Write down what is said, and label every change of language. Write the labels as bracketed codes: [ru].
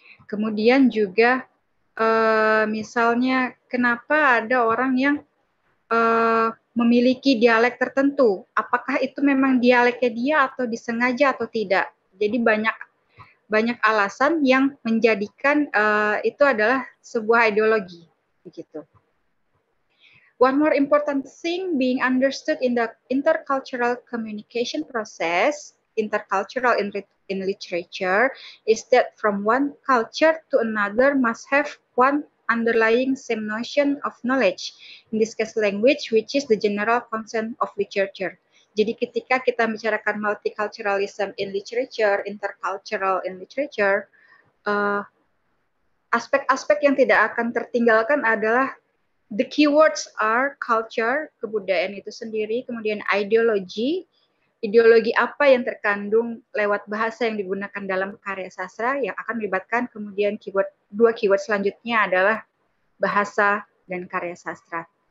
[id] Kemudian juga, misalnya, kenapa ada orang yang memiliki dialek tertentu, apakah itu memang dialeknya dia atau disengaja atau tidak. Jadi banyak alasan yang menjadikan itu adalah sebuah ideologi. Begitu. [en] One more important thing being understood in the intercultural communication process, intercultural in literature, is that from one culture to another must have one underlying same notion of knowledge, in this case language, which is the general concept of literature. [id] Jadi ketika kita bicarakan [en] multiculturalism in literature, intercultural in literature, [id] aspek-aspek yang tidak akan tertinggalkan adalah [en] the keywords are culture, [id] kebudayaan itu sendiri, kemudian ideologi apa yang terkandung lewat bahasa yang digunakan dalam karya sastra yang akan melibatkan kemudian dua keyword selanjutnya adalah bahasa dan karya sastra.